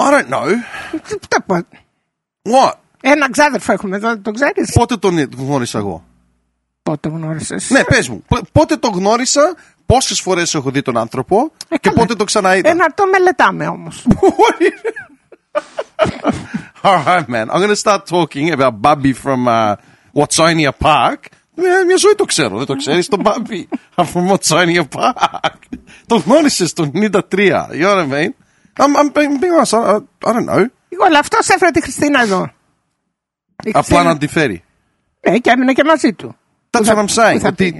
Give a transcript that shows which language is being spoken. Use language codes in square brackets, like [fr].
[en] I don't know. [el] Τα πω. [en] What? [el] Ένα ξάδερφο έχουμε εδώ, το ξέρεις? Πότε τον γνώρισα εγώ? Πότε γνώρισες? Ναι, πες μου. Πότε τον γνώρισα, πόσες φορές έχω δει τον άνθρωπο και πότε τον ξαναείδα? Ένα το μελετάμε όμως. [en] Alright, man. I'm gonna start talking about Bubby from Watsonia Park. [el] Μια ζωή το ξέρω. Δεν το ξέρεις τον Bubby from Watsonia Park? Τον γνώρισες το 93. [en] You know what I mean? I'm being honest. I don't know. [el] Εγώ, αλλά αυτός έφερε τη Χριστίνα εδώ. Απλά να τη φέρει. Ναι, και έμεινε και μαζί του. [en] That's what I'm saying.